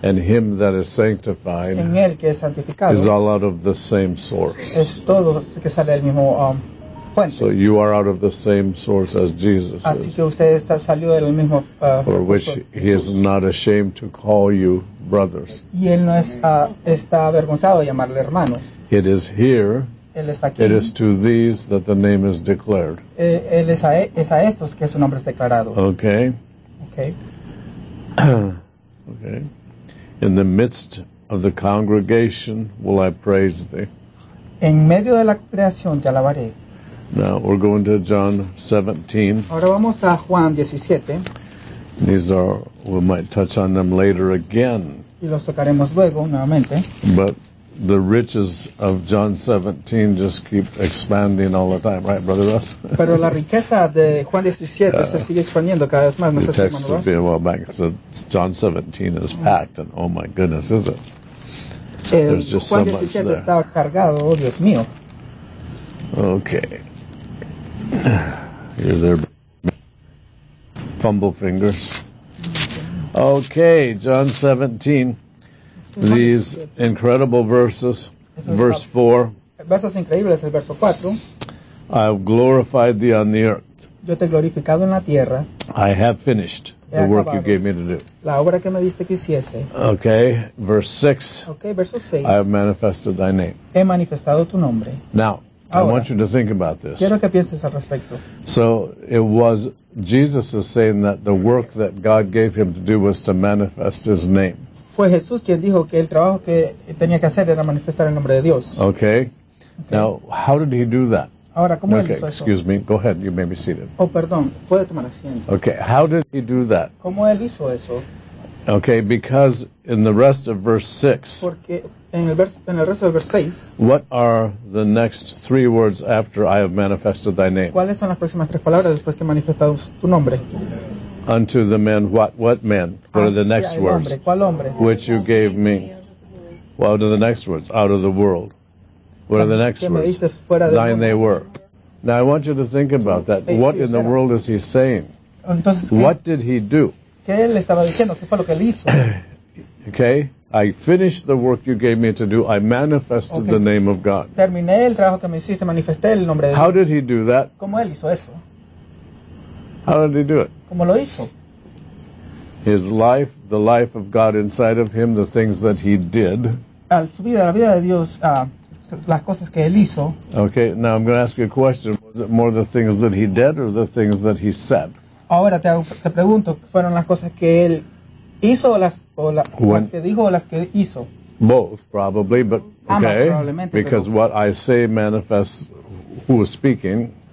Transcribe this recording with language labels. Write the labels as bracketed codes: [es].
[en] and him that is sanctified, [es] en el que es santificado, [en] is all out of the same source. [es] Es todo que sale del mismo fuente. [en] So you are out of the same source as Jesus. [es] Así que usted está salido del mismo [en] for which he is not ashamed to call you brothers. [es] Y él no es, está avergonzado de llamarle hermanos. [en] It is here. [es] Él está aquí. [en] It is to these that the name is declared. [es] Él es a, estos que su nombre es declarado. [en] Okay. Okay. Okay. In the midst of the congregation will I praise thee. [es] En medio de la creación te alabaré. [en] Now we're going to John 17. [es] Ahora vamos a Juan 17. [en] These are, we might touch on them later again. [es] Y los tocaremos luego nuevamente. [en] But the riches of John 17 just keep expanding all the time, right, Brother Russ? [es] Pero la riqueza de Juan 17 se sigue expandiendo cada vez más. [en] The text will be a while back. So John 17 is packed, and oh my goodness, is it? [es] El [en] there's just Juan so much there. [es] Juan 17 está cargado, oh Dios mío. [en] Okay. You're there. Fumble fingers. Okay, John 17. These incredible verses, verse 4. [es] Versos increíbles, el verso 4. [en] I have glorified thee on the earth. [es] Yo te he glorificado en la tierra. [en] I have finished the work you gave me to do. [es] La obra que me diste que hiciese. [en] Okay, verse 6. [es] Okay, verso 6. [en] I have manifested thy name. [es] He manifestado tu nombre. [en] Now, [es] ahora, [en] I want you to think about this. [es] Quiero que pienses al respecto. [en] So, it was Jesus is saying that the work that God gave him to do was to manifest his name. [es] Fue Jesús quien dijo que el trabajo que tenía que hacer era manifestar el nombre de Dios. [en] Okay. Now, how did he do that? [es] Ahora, ¿cómo [en] okay, [es] él hizo eso? [en] Excuse me. Go ahead. You may be seated. [es] Oh, perdón. Puede tomar asiento. [en] Okay. How did he do that? [es] ¿Cómo él hizo eso? [en] Okay. Because in the rest of verse 6. [es] Porque en el, verso, en el resto del verso 6. [en] What are the next three words after I have manifested thy name? [es] ¿Cuáles son las próximas tres palabras después que he manifestado tu nombre? [en] Unto the men, what men? What are the next words? [es] ¿Cuál hombre? [en] Which you gave me. What are the next words? Out of the world. What are the next words? Thine they were. Now I want you to think about that. What in the world is he saying? [es] Entonces, [en] what did he do? [es] ¿Qué él estaba diciendo? ¿Qué fue lo que él hizo? [en] Okay. I finished the work you gave me to do. I manifested okay. The name of God. [es] Terminé el trabajo que me hiciste. Manifesté el nombre de Dios. [en] How did he do that? [es] ¿Cómo él hizo eso? [en] How did he do it? [es] ¿Cómo lo hizo? [en] His life, the life of God inside of him, the things that he did. [es] Al subir a la vida de Dios, las cosas que él hizo. [en] Okay, now I'm going to ask you a question. Was it more the things that he did or the things that he said? [es] Ahora te pregunto, ¿fueron las cosas que él hizo las que dijo o las que hizo? [en] Both, probably, but okay. Because what I say manifests who is speaking.